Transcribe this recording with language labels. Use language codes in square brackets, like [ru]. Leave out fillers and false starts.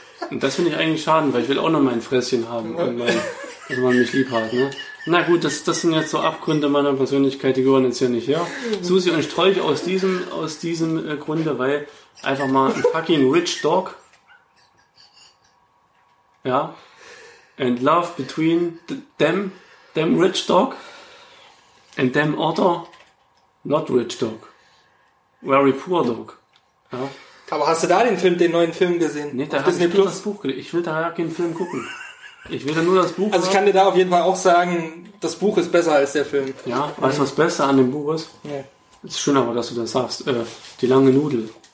[de] Und das finde ich eigentlich schade, weil ich will auch noch mein Fräschen haben. Dass man mich lieb hat, ne? Na gut, das sind jetzt so Abgründe meiner Persönlichkeit, die gehören jetzt hier nicht her. Susi und Strolch aus diesem Grunde, weil einfach mal ein [en] fucking rich dog. [de] Ja. [en] And love between them rich dog and them other not rich dog. Very poor dog. [de] Ja. Aber hast du da den neuen Film gesehen? Nee, da hab ich nur das Buch gelesen. Ich will da ja keinen Film gucken. Ich will ja nur das Buch. Also ich kann dir da auf jeden Fall auch sagen, das Buch ist besser als der Film. Ja, weißt du, was besser an dem Buch ist? Nee. Es ist schön aber, dass du das sagst. Die lange Nudel.